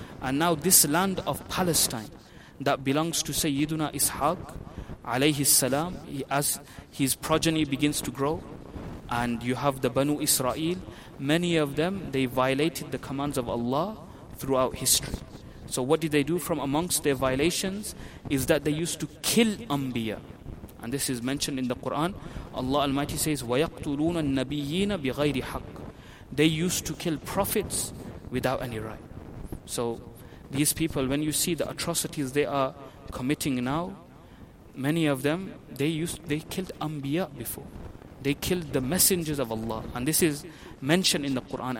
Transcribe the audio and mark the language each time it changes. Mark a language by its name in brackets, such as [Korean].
[English] And now this land of Palestine that belongs to Sayyiduna Ishaq alayhi salam, as his progeny begins to grow, and you have the Banu Israel, many of them, they violated the commands of Allah throughout history. So what did they do? From amongst their violations is that they used to kill Anbiya. And this is mentioned in the Quran. Allah Almighty says, [Arabic] وَيَقْتُلُونَ النَّبِيِّينَ بِغَيْرِ حَقٍ. [English] They used to kill prophets without any right. So these people, when you see the atrocities they are committing now, many of them, they killed Anbiya before. They killed the messengers of Allah. And this is mentioned in the Quran.